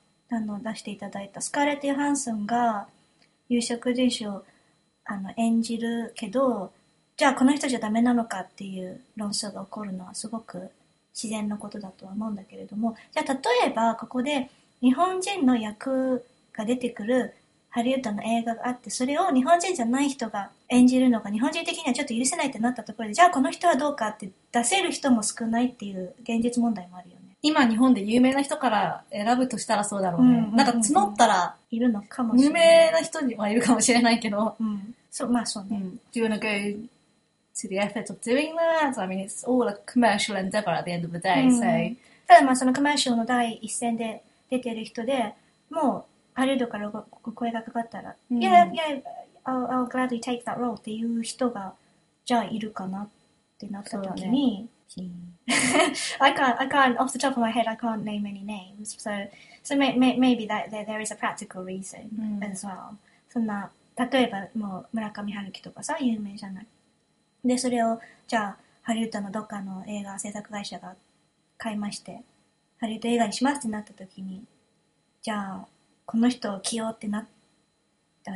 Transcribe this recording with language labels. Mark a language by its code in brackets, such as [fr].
[ja] あの出していただいたスカーレット・ヨハンソンが有色人種をあの演じるけど、じゃあこの人じゃダメなのかっていう論争が起こるのはすごく自然のことだとは思うんだけれども、じゃあ例えばここで日本人の役が出てくるハリウッドの映画があって、それを日本人じゃない人が演じるのが日本人的にはちょっと許せないってなったところで、じゃあこの人はどうかって出せる人も少ないっていう現実問題もあるよね。今日本で有名な人から選ぶとしたらそうだろうね。うんうんうん、なんか募ったらいるのかもしれない。有名な人にはいるかもしれないけど。うん、そう、まあそうね。うん、 [en] Do you want to go to the effort of doing that? I mean, it's all a commercial endeavor at the end of the day.、うん、 so. [ja] ただまあそのコマーシャルの第一線で出てる人で、もうハリウッドから声がかかったら、うん、 [en] Yeah, yeah, I'll gladly take that role [ja] っていう人がじゃあいるかなってなった時に。 [en] I can't off the top of my head, I can't name any names. So maybe that there is a practical reason、mm. as well. [ja] そんな例えばもう村上春樹とかさ有名じゃない。でそれをじゃあハリウッドのどっかの映画制作会社が買いまして、ハリウッド映画にしますってなった時に、じゃあこの人を起用ってなった。